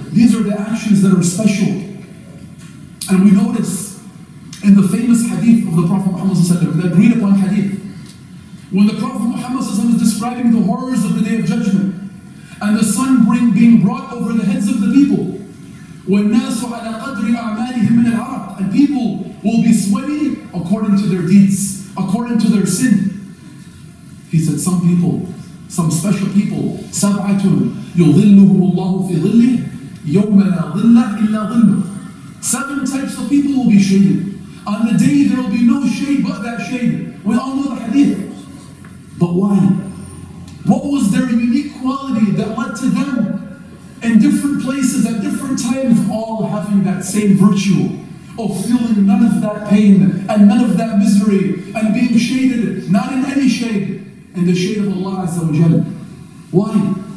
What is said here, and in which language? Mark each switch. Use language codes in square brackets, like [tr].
[en] These are the actions that are special. And we notice in the famous hadith of the Prophet Muhammad, the agreed upon hadith, when the Prophet Muhammad is describing the horrors of the Day of Judgment and the sun being brought over the heads of the people, [ar] وَالنَّاسُ عَلَىٰ قَدْرِ أَعْمَالِهِمْ مِنَ الْعَرَقِ, [en] and people will be sweaty according to their deeds, according to their sin. He said, some people, some special people, [ar] سَبْعَةٌ يُظِلُّهُمُ اللَّهُ فِي ظِلِّهِ يَوْمَ لَا ظِلَّ إِلَّا ظِلُّهُ. [en] Seven types of people will be shaded. On the day there will be no shade but that shade. We all know the hadith. But why? What was their unique quality that led to them in different places, at different times, all having that same virtue of feeling none of that pain and none of that misery and being shaded, not in any shade, in the shade of Allah Azza wa Jalla? Why?